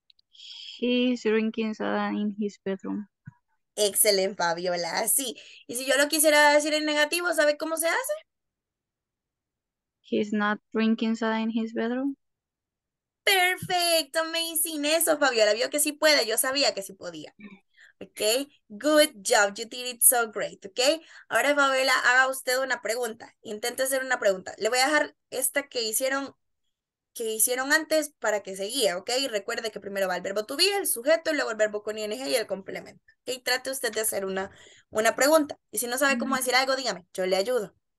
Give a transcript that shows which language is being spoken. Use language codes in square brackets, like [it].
[en] He's drinking soda in his bedroom. [es] Excelente, Fabiola, así. Y si yo lo quisiera decir en negativo, ¿sabe cómo se hace? [en] He's not drinking soda in his bedroom. [es] Perfecto, amazing, eso, Fabiola, vio que sí puede, yo sabía que sí podía. [en] Ok, good job, you did it so great, ok. [es] Ahora, Fabiola, haga usted una pregunta, intente hacer una pregunta. Le voy a dejar esta que hicieron antes para que se guíe, ok. Y recuerde que primero va el verbo to be, el sujeto, y luego el verbo con ing y el complemento. Ok, trate usted de hacer una pregunta. Y si no sabe cómo decir algo, dígame, yo le ayudo.